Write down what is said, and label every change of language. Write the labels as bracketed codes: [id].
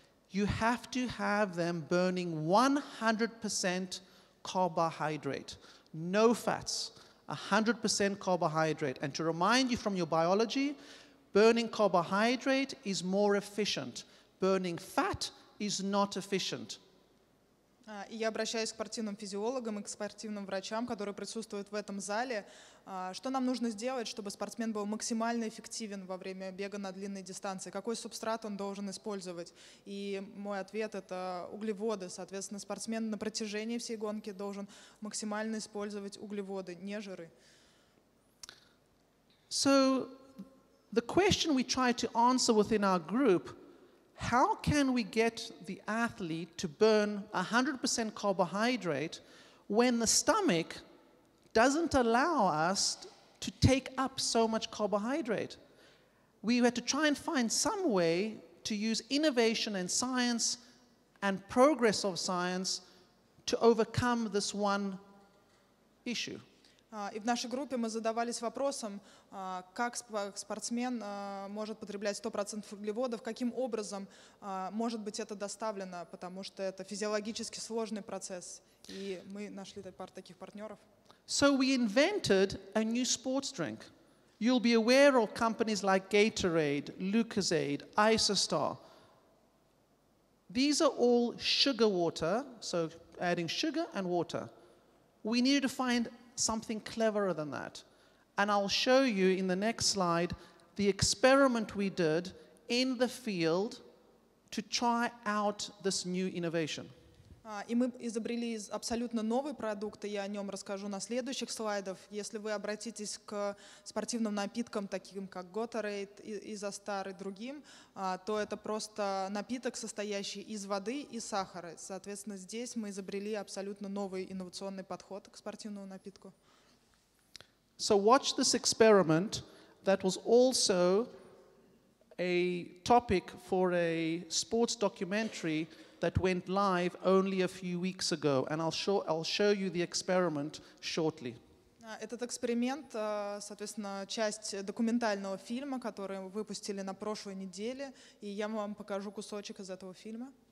[en] You have to have them burning 100% carbohydrate, no fats, 100% carbohydrate. And to remind you from your biology, burning carbohydrate is more efficient. Burning fat is not efficient. [ru] Я обращаюсь к спортивным физиологам и к спортивным врачам, которые присутствуют в этом зале. Что нам нужно сделать, чтобы спортсмен был максимально эффективен во время бега на длинной дистанции? Какой субстрат он должен использовать? И мой ответ — это углеводы. Соответственно, спортсмен на протяжении всей гонки должен максимально использовать углеводы, не жиры. [en] So the question we try to answer within our group: how can we get the athlete to burn 100% carbohydrate when the stomach doesn't allow us to take up so much carbohydrate? We had to try and find some way to use innovation and science and progress of science to overcome this one issue. [ru] И в нашей группе мы задавались вопросом, как спортсмен может потреблять 100% углеводов, каким образом может быть это доставлено, потому что это физиологически сложный процесс. И мы нашли пару таких партнеров. [en] So we invented a new sports drink. You'll be aware of companies like Gatorade, Lucozade, Isostar. These are all sugar water, so adding sugar and water. We needed to find something cleverer than that. And I'll show you in the next slide the experiment we did in the field to try out this new innovation. [ru] И мы изобрели абсолютно новый продукт, и я о нем расскажу на следующих слайдах. Если вы обратитесь к спортивным напиткам, таким как Gatorade, Isostar и другим, то это просто напиток, состоящий из воды и сахара. Соответственно, здесь мы изобрели абсолютно новый инновационный подход к спортивному напитку. [en] So watch this experiment that was also a topic for a sports documentary that went live only a few weeks ago, and I'll show you the experiment shortly. [ru] Этот эксперимент, соответственно, часть документального фильма, который выпустили на прошлой неделе, и я вам покажу кусочек из этого фильма.